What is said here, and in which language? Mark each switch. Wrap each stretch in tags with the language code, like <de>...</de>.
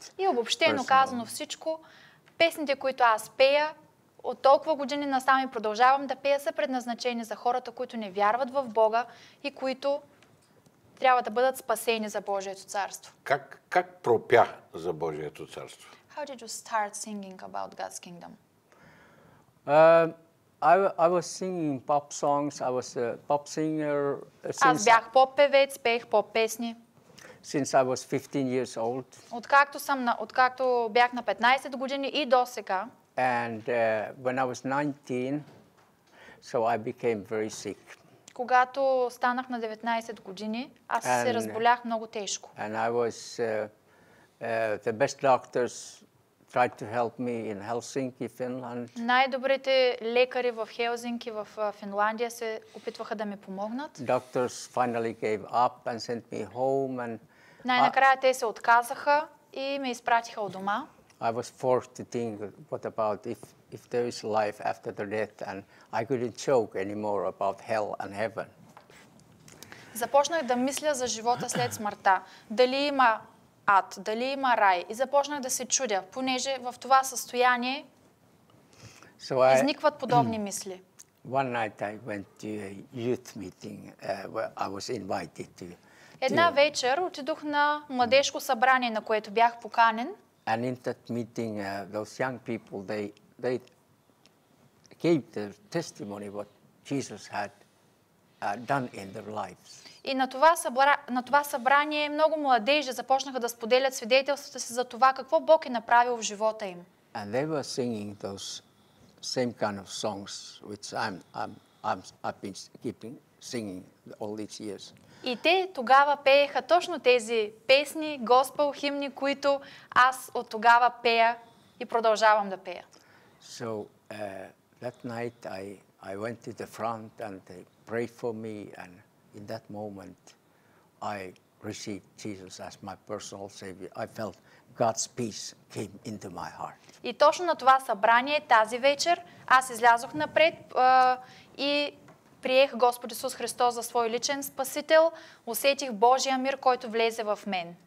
<bg>И обобщено казано всичко, песните, които аз пея, от толкова години насам и продължавам да пея, са предназначени за хората, които не вярват в Бога и които трябва да бъдат спасени за Божието царство. Как пропя за Божието царство?</bg> <en>How did you start singing about God's kingdom? I was singing pop songs. I was a pop singer.</en> <bg>Аз бях поп певец, пеех поп песни.</bg> <en>Since I was 15 years old.</en> <bg>Откакто бях на 15 години и до сега.</bg> <en>And when I was 19, so I became very sick.</en> <bg>Когато станах на 19 години, аз се разболях много тежко.</bg> <en>And I was the best doctors tried to help me in Helsinki, Finland.</en> <bg>Най-добрите лекари в Хелсинки, в Финландия се опитваха да ми помогнат.</bg> <en>Doctors finally gave up and sent me home and</en> <bg>най-накрая те се отказаха и ме изпратиха от дома.</bg> <en>I was forced to think what about if there is life after the death and I couldn't joke anymore about hell and heaven.</en> <bg>Започнах да мисля за живота след смъртта. Дали има ад, дали има рай? И започнах да се чудя, понеже в това състояние изникват подобни мисли.</bg> <en>One night I went to a youth meeting where I was invited to.</en> <bg>Една вечер отидох на младежко събрание, на което бях поканен.</bg> <en>And in that meeting those young people they gave their testimony what Jesus had done in their lives.</en> <bg>И на това събрание много младежи започнаха да споделят свидетелствата си за това какво Бог е направил в живота им.</bg> <en>And they were singing those same kind of songs which I've been keeping singing all these years.</en> <bg>И те тогава пееха точно тези песни, госпел химни, които аз от тогава пея и продължавам да пея.</bg> <en>So that night I went to the front and they prayed for me and in that moment I received Jesus as my personal savior. I felt God's peace came into my heart.</en> <bg>И точно на това събрание тази вечер аз излязох напред и приех Господ Исус Христос за свой личен спасител. Усетих Божия мир, който влезе в мен.</bg>